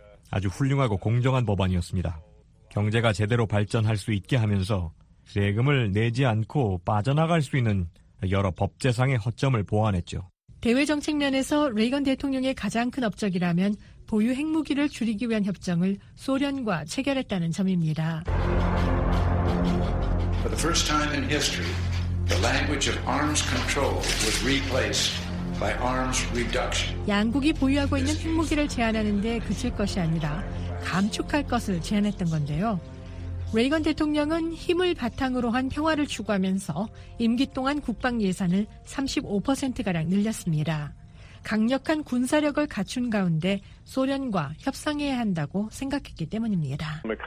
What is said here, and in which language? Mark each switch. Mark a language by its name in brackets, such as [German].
[Korean] 아주 훌륭하고 공정한 법안이었습니다. 경제가 제대로 발전할 수 있게 하면서 세금을 내지 않고 빠져나갈 수 있는 여러 법제상의 허점을 보완했죠. 대외 정책 면에서 레이건 대통령의 가장 큰 업적이라면 보유 핵무기를 줄이기 위한 협정을 소련과 체결했다는 점입니다. [English] For the first time in history, the language of arms control was replaced by arms reduction. [Korean] 양국이 보유하고 있는 핵무기를 제한하는 데 그칠 것이 아니라 감축할 것을 제안했던 건데요. 레이건 대통령은 힘을 바탕으로 한 평화를 추구하면서 임기 동안 국방 예산을 35%가량 늘렸습니다. 강력한 군사력을 갖춘 가운데 소련과 협상해야 한다고 생각했기 때문입니다.